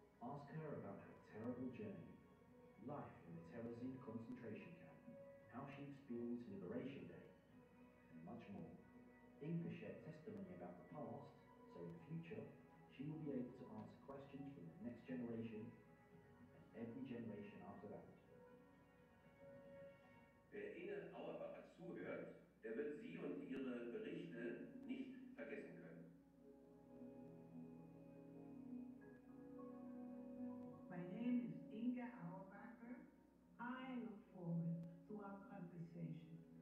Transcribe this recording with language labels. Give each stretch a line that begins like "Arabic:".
English: Ask her about her terrible journey, life in the Terezin concentration camp, how she experienced Liberation Day, and much more. Inge shared testimony about the past, so in future, she will be able to answer questions from the next generation, and every generation after that.
German: Wer Inge Auerbacher zuhört, der wird sie und ihre Berichte nicht vergessen können.
English: My name is Inge Auerbacher. I look forward to our conversation.